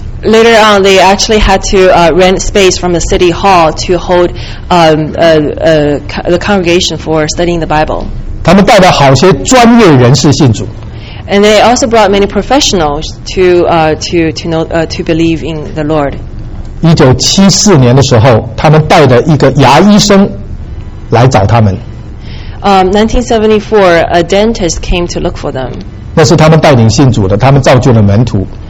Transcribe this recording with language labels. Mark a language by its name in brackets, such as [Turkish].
[English] Later on, they actually had to rent space from the city hall to hold the congregation for studying the Bible. [Chinese] 他们带了好些专业人士信主。 [English] And they also brought many professionals to believe in the Lord. [Chinese] 1974年的时候，他们带着一个牙医生来找他们。 [English] 1974, a dentist came to look for them. [Chinese] 那是他们带领信主的，他们造就了门徒。